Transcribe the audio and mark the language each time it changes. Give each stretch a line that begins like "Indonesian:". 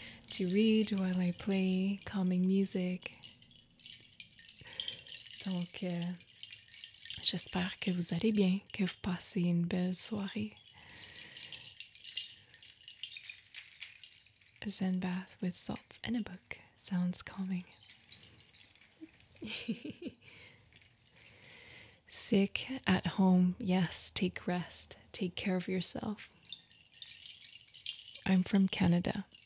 English: To read while I play calming music.
French: Donc, j'espère que vous allez bien, que vous passez une belle soirée.
English: A Zen bath with salts and a book sounds calming. Sick, at home, yes, take rest, take care of yourself. I'm from Canada.